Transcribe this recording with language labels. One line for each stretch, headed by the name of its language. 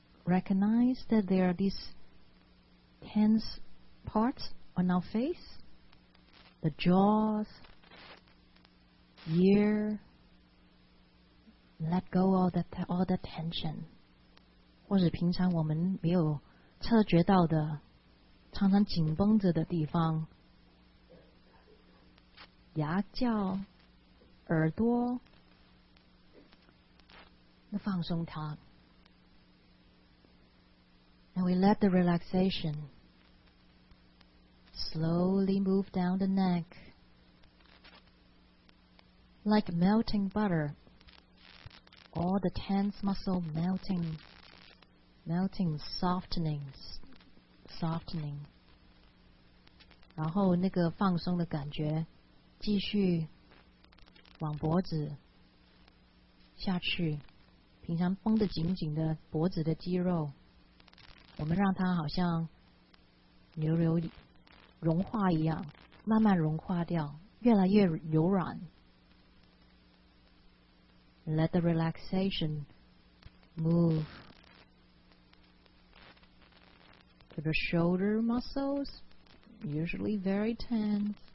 English: recognize that there are these tense parts on our face, the jaws, ear, let go of all the tension.
Chinese: 或是平常我们没有察觉到的常常紧绷着的地方，牙叫耳朵，那放松它。
English: And we let the relaxation slowly move down the neck like melting butter. All the tense muscle melting, softening.
Chinese: 然后那个放松的感觉继续往脖子下去，平常绷得紧紧的脖子的肌肉，我们让它好像流融化一样，慢慢融化掉，越来越柔软。
English: Let the relaxation move to the shoulder muscles, usually very tense.